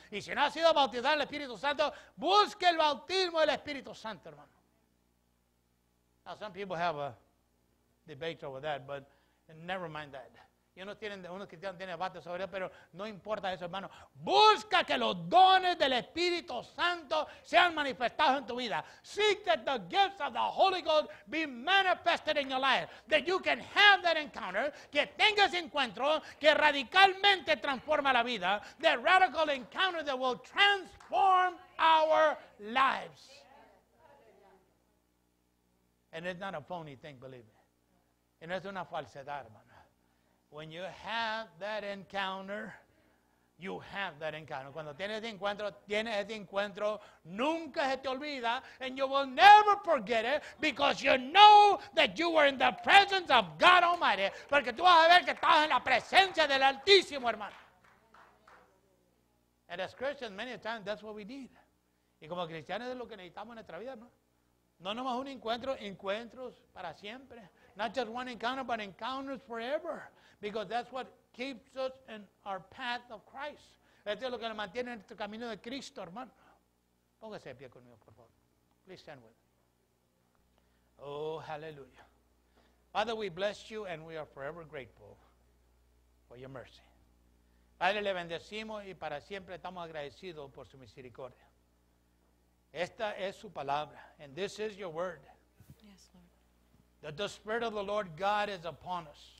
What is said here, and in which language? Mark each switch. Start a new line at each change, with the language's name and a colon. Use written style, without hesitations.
Spanish: Y si no ha sido bautizado en el Espíritu Santo, busque el bautismo del Espíritu Santo, hermano.
English: Now, some people have a debate over that, but never mind that.
Spanish: Y unos tienen, unos cristianos tienen debates sobre eso, pero no importa eso, hermano. Busca que los dones del Espíritu Santo sean manifestados en tu vida.
English: Seek that the gifts of the Holy Ghost be manifested in your life. That you can have that encounter.
Spanish: Que tengas encuentro que radicalmente transforma la vida.
English: That radical encounter that will transform our lives. And it's not a phony thing, believe me.
Spanish: Y no es una falsedad, hermano.
English: When you have that encounter, you have that encounter.
Spanish: Cuando tienes ese encuentro, nunca se te olvida,
English: and you will never forget it because you know that you were in the presence of God Almighty.
Spanish: Porque tú vas a ver que estabas en la presencia del Altísimo, hermano.
English: And as Christians, many times, that's what we need.
Spanish: Y como cristianos es lo que necesitamos en nuestra vida, ¿no? No nomás un encuentro, encuentros para siempre.
English: Not just one encounter, but encounters forever. Because that's what keeps us in our path of Christ.
Spanish: Esto es lo que nos mantiene en nuestro camino de Cristo, hermano. Póngase de pie conmigo, por favor.
English: Please stand with me.
Spanish: Oh, hallelujah.
English: Father, we bless you and we are forever grateful for your mercy.
Spanish: Padre, le bendecimos y para siempre estamos agradecidos por su misericordia. Esta es su palabra.
English: And this is your word. That the Spirit of the Lord God is upon us.